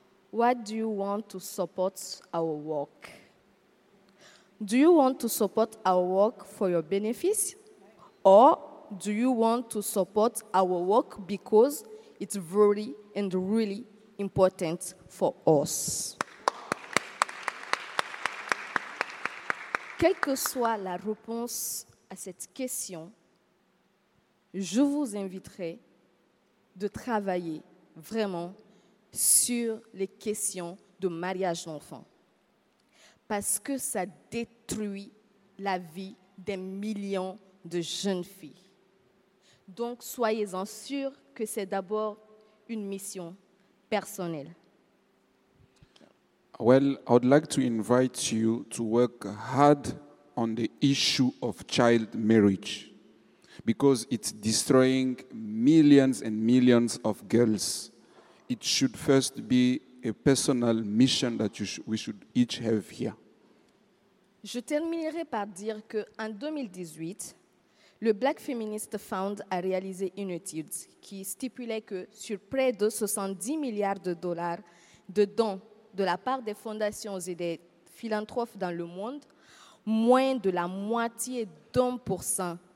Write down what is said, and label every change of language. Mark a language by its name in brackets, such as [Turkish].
[English] What do you want to support our work? Do you want to support our work for your benefits? Or do you want to support our work because it's very and really important for us? [French] Quelle que soit la réponse à cette question, je vous inviterai de travailler vraiment sur les questions de mariage d'enfants, parce que ça détruit la vie des millions de jeunes filles. Donc, soyez-en sûrs que c'est d'abord une mission personnelle. [English] Well, I would like to invite you to work hard on the issue of child marriage, because it's destroying millions and millions of girls. It should first be a personal mission that we should each have here. [French] Je terminerai par dire que en 2018, le Black Feminist Fund a réalisé une étude qui stipulait que sur près de 70 milliards de dollars de dons de la part des fondations et des philanthropes dans le monde, moins de la moitié d'1%